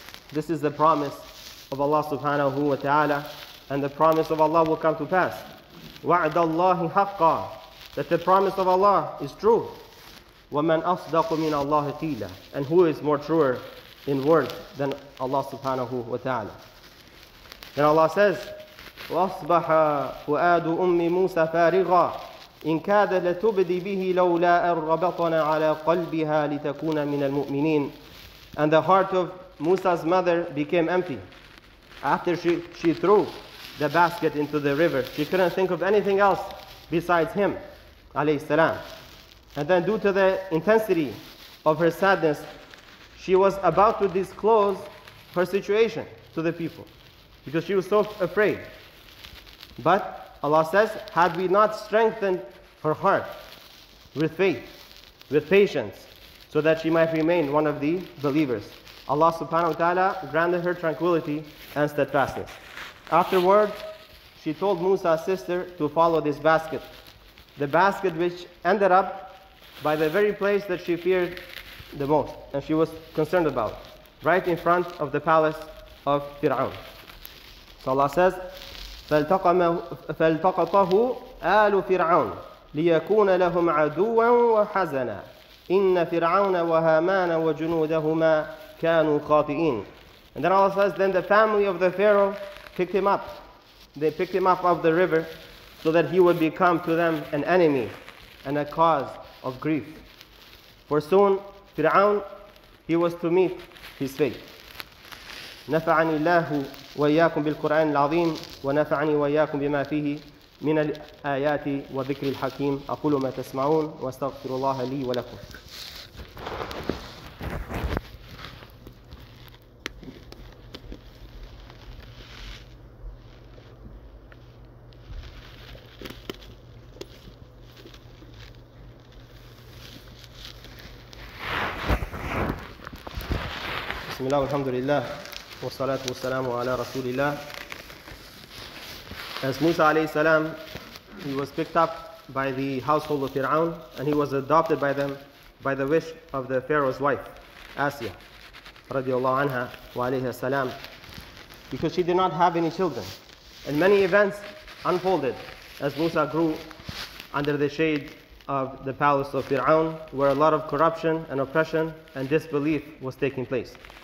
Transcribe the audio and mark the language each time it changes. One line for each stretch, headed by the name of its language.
English: This is the promise of Allah subhanahu wa ta'ala, and the promise of Allah will come to pass.
Arabic: وَعْدَ اللَّهِ حَقَّى,
English: that the promise of Allah is true.
Arabic: وَمَنْ أَصْدَقُ مِنَ اللَّهِ قِيلًا,
English: and who is more truer in words than Allah subhanahu wa ta'ala. Then Allah says,
Arabic: وَأَصْبَحَ فُؤَادُ أُمِّ مُوسَى فَارِغًا إِنْ كَادَ لَتُبْدِي بِهِ لَوْلَا أَرْبَطَنَا عَلَىٰ قَلْبِهَا لِتَكُونَ مِنَ الْمُؤْمِنِينَ.
English: And the heart of Musa's mother became empty after she threw the basket into the river. She couldn't think of anything else besides him, alayhi salam. And then due to the intensity of her sadness, she was about to disclose her situation to the people because she was so afraid. But Allah says, had we not strengthened her heart with faith, with patience, so that she might remain one of the believers, Allah subhanahu wa ta'ala granted her tranquility and steadfastness. Afterward, she told Musa's sister to follow this basket. The basket which ended up by the very place that she feared the most and she was concerned about, right in front of the palace of Fir'aun. So Allah says,
Arabic: فَالْتَقَطَهُ آلُ فِرْعَوْنَ لِيَكُونَ لَهُمْ عَدُوًا وَحَزَنًا إِنَّ فِرْعَوْنَ وَهَامَانَ وَجُنُودَهُمَا كَانُوا خَاطِئِينَ.
English: And then Allah says, then the family of the Pharaoh picked him up. They picked him up off the river so that he would become to them an enemy and a cause of grief. For soon, Fir'aun, he was to meet his fate.
Arabic: نَفَعَنِ اللَّهُ وَإِيَّاكُمْ بِالْقُرْآنِ الْعَظِيمِ وَنَفَعَنِي وَإِيَّاكُمْ بِمَا فِيهِ مِنَ الْآيَاتِ وَذِكْرِ الْحَكِيمِ أَقُولُ مَا تَسْمَعُونَ وَأَسْتَغْفِرُ اللَّهَ لِي وَلَكُمْ. بسم الله والحمد لله والصلاة والسلام على رسول الله.
English: As Musa alayhi salam, he was picked up by the household of Fir'aun and he was adopted by them by the wish of the Pharaoh's wife, Asiya, radiallahu anha wa alayhi salam, because she did not have any children. And many events unfolded as Musa grew under the shade of the palace of Fir'aun, where a lot of corruption and oppression and disbelief was taking place.